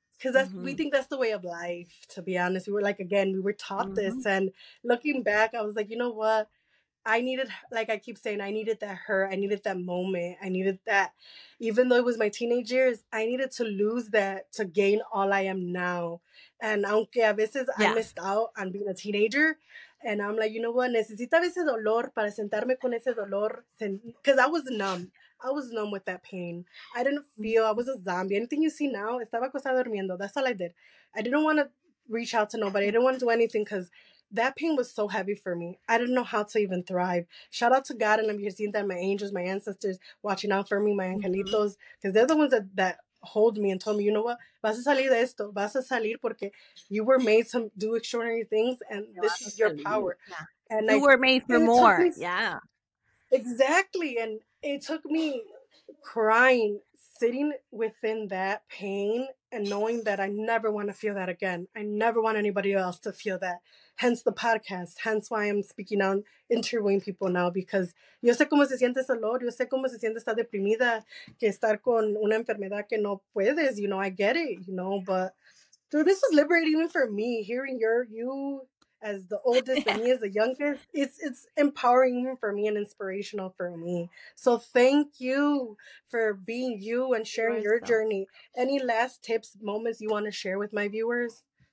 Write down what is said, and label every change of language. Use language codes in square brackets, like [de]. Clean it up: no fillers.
[en] Because we think that's the way of life, to be honest. We were like, again, we were taught this, and looking back, I was like, you know what? I needed, like I keep saying, I needed that hurt. I needed that moment. I needed that, even though it was my teenage years, I needed to lose that to gain all I am now. And [es] aunque a veces [en] I missed out on being a teenager, and I'm like, you know what? [es] Necesito ese dolor para sentarme con ese dolor. [en] Because I was numb. I was numb with that pain. I didn't feel, I was a zombie. Anything you see now, [es] estaba acostada durmiendo. [en] That's all I did. I didn't want to reach out to nobody. I didn't want to do anything because that pain was so heavy for me. I didn't know how to even thrive. Shout out to God and I'm here seeing that my angels, my ancestors watching out for me, my angelitos, because they're the ones that hold me and told me, you know what? [es] Vas a salir de esto. Vas a salir porque [en] you were made to do extraordinary things and this is your power. Yeah. And you were made for more. Yeah. Exactly. And it took me crying, sitting within that pain and knowing that I never want to feel that again. I never want anybody else to feel that. Hence the podcast. Hence why I'm speaking out, interviewing people now, because [es] yo sé cómo se siente ese dolor. Yo sé cómo se siente estar deprimida, que estar con una enfermedad que no puedes. [en] You know, I get it, you know, but dude, this was liberating even for me, hearing you as the oldest and me as the youngest. It's empowering even for me and inspirational for me. So thank you for being you and sharing your journey. Any last tips, moments you want to share with my viewers?